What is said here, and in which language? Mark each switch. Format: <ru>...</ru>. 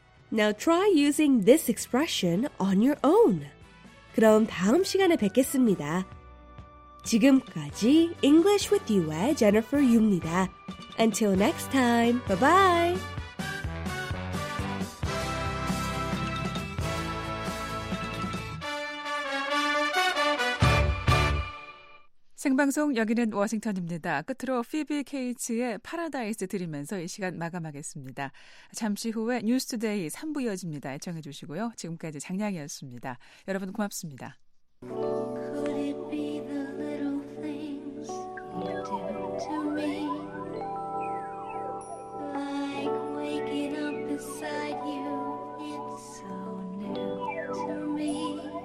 <en>Now try using this expression on your own.</en> <ko>그럼 다음 시간에 뵙겠습니다. 지금까지 English with You의 Jennifer Yu입니다.</ko> <en>Until next time, bye-bye!</en> <ko>Sing방송 여기는 워싱턴입니다. 끝으로 Phoebe Cates의 Paradise 드리면서 이 시간 마감하겠습니다. 잠시 후에 뉴스 투데이 3부 이어집니다. 애청해 주시고요. 지금까지 장량이었습니다. 여러분 고맙습니다.</ko> <en>Could it be the little things you do to me? Like waking up beside you, it's so new to me.</en>